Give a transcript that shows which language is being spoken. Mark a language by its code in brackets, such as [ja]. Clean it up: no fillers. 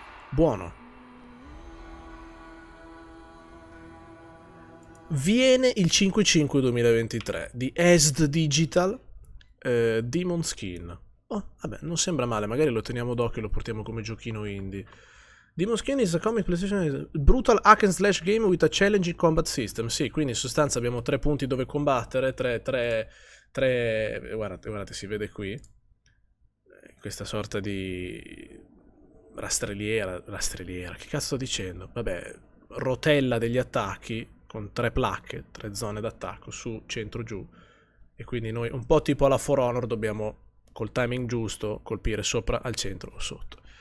[it] Buono. Viene il 5/5/2023 di Est Digital, Demon Skin. Oh, vabbè, non sembra male, magari lo teniamo d'occhio e lo portiamo come giochino indie. [en] Demon Skin is a comic PlayStation brutal hack and slash game with a challenging combat system. [it] Sì, quindi in sostanza abbiamo 3 punti dove combattere, tre guardate, si vede qui questa sorta di rastrelliera, che cazzo sto dicendo? Vabbè, rotella degli attacchi, con tre placche, tre zone d'attacco, su, centro, giù. E quindi noi, un po' tipo alla For Honor, dobbiamo, col timing giusto, colpire sopra, al centro o sotto.